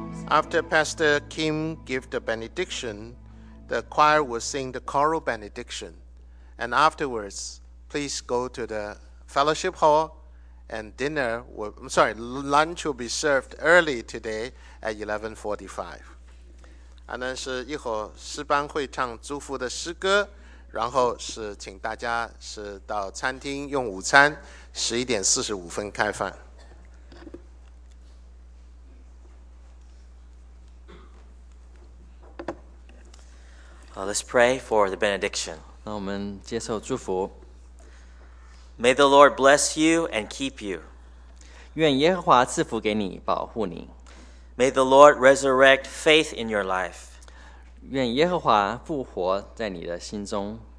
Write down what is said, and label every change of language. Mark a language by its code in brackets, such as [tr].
[en] After Pastor Kim gave the benediction, the choir will sing the choral benediction. And afterwards, please go to the fellowship hall and lunch will be served early today at 11:45. [zh] 然后是请大家到餐厅用午餐 11:45开饭。 [en] Let's pray for the benediction. [zh] 那我们接受祝福。 [en] May the Lord bless you and keep you. [zh] 愿耶和华赐福给你，保护你。 [en] May the Lord resurrect faith in your life. [zh] 愿耶和华复活在你的心中。